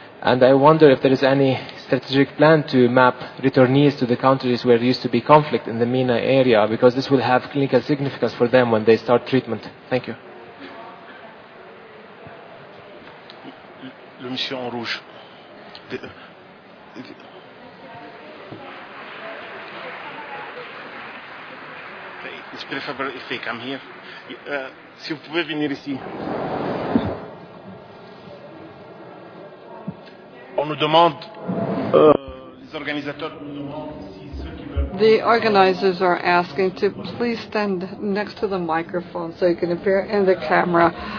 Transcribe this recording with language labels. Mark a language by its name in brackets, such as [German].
[English] And I wonder if there is any strategic plan to map returnees to the countries where there used to be conflict in the MENA area, because this will have clinical significance for them when they start treatment. Thank you. [French] Le monsieur en rouge. [English] It's preferable if they come here. [French] Si vous pouvez venir ici. On nous demande, les organisateurs nous demandent si ceux qui veulent. [English] The organizers are asking to please stand next to the microphone so you can appear in the camera.